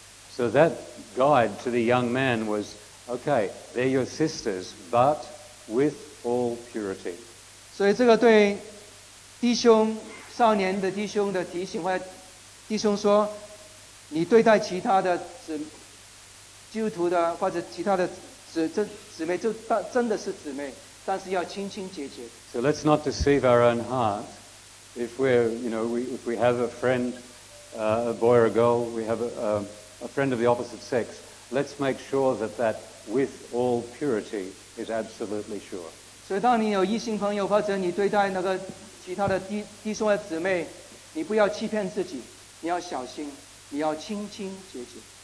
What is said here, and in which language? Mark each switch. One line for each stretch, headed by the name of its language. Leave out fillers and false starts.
English: So that guide to the young man was, okay, they're your sisters, but with all purity.
Chinese: 所以这个对弟兄少年的弟兄的提醒，或者弟兄说，你对待其他的基督徒的或者其他的姊妹，就真的是姊妹。但是要清清洁洁。
English: So let's not deceive our own heart. If we're, you know, we, if we have a friend, a boy or a girl, we have a friend of the opposite sex, let's make sure that that with all purity is absolutely sure.
Chinese: 所以当你有异性朋友或者你对待那个其他的弟兄的姊妹，你不要欺骗自己，你要小心，你要清清洁洁。